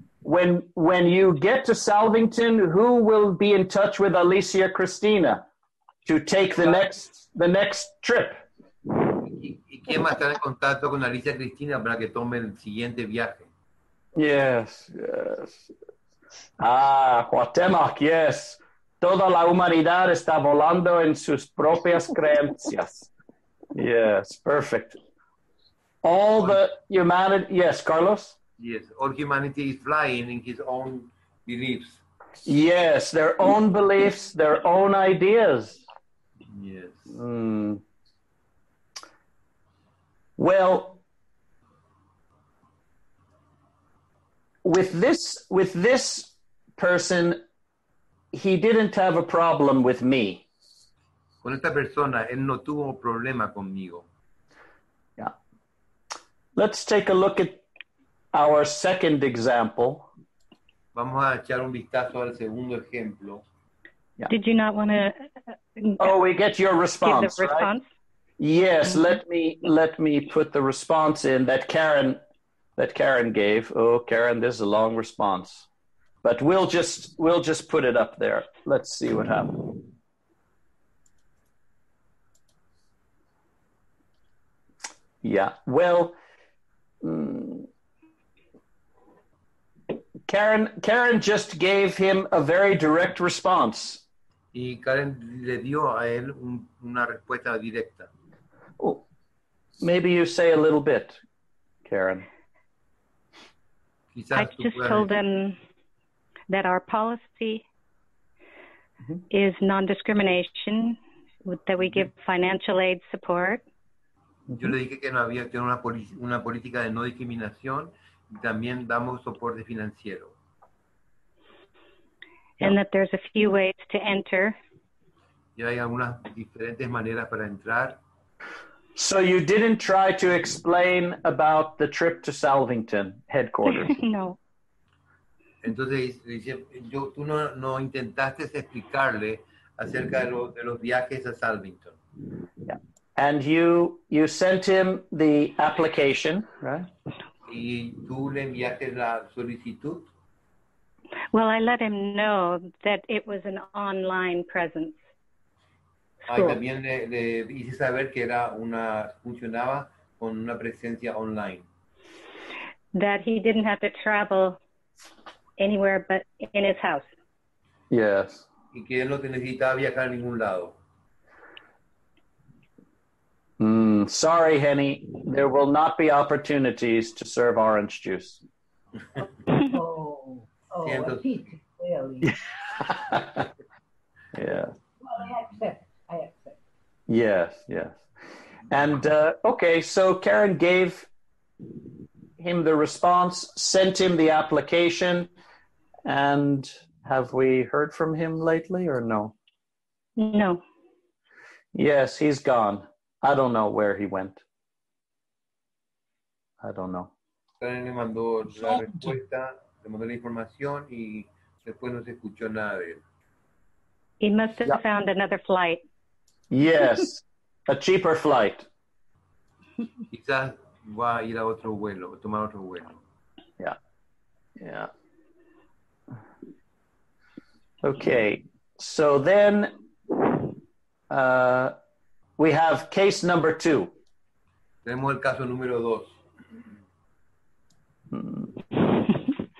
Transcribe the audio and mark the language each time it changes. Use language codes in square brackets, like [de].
[en] When you get to Salvington, who will be in touch with Alicia Cristina to take the next trip? [es] ¿Y quién va a estar en contacto con Alicia Cristina para que tome el siguiente viaje? [en] Yes. Ah, Cuauhtémoc, yes. [es] Toda la humanidad está volando en sus propias creencias. [en] Yes, perfect. All the humanity, yes, Carlos? Yes, all humanity is flying in his own beliefs. Yes, their own beliefs, their own ideas. Yes. Well, with this person, he didn't have a problem with me. [es] Con esta persona, él no tuvo problema conmigo. [en] Yeah. Let's take a look at our second example. [es] Vamos a echar un vistazo al segundo ejemplo. [en] Yeah. Did you not want to? Oh, we get your response, give the response, right? Yes, mm-hmm. let me put the response in that Karen gave. Oh, Karen, this is a long response, but we'll just put it up there. Let's see what happens. Yeah. Well. Karen just gave him a very direct response. [es] Y Karen le dio a él una respuesta directa. [en] Oh, maybe you say a little bit, Karen. I just told him that our policy mm-hmm. is non-discrimination, that we give financial aid support. [es] Yo le dije que no había tenido una política de no discriminación. También damos soporte financiero. [en] And that there's a few ways to enter. [es] Y hay algunas diferentes maneras para entrar. [en] So you didn't try to explain about the trip to Salvington headquarters. No. [es] Entonces, tú no intentaste explicarle acerca mm-hmm. de los viajes a Salvington. [en] Yeah. And you sent him the application, right? [es] ¿Y tú le enviaste la solicitud? [en] Well, I let him know that it was an online presence. [es] Ah, y también le hice saber que era una funcionaba con una presencia online. [en] That he didn't have to travel anywhere but in his house. Yes. [es] Y que él no necesitaba viajar a ningún lado. [en] Sorry, Henny, there will not be opportunities to serve orange juice. Oh, a really. Yeah. Well, I accept. Yes. And, okay, so Karen gave him the response, sent him the application, and have we heard from him lately or no? No. Yes, he's gone. I don't know where he went. I don't know. [es] Karen le mandó la respuesta le mandó la información y después no se escuchó nada de él. [en] He must have found another flight. Yes, a cheaper flight. [es] Quizás va a ir a otro vuelo, a tomar otro vuelo. [en] Yeah, yeah. Okay, so then we have case number two. [es] Tenemos el caso número dos.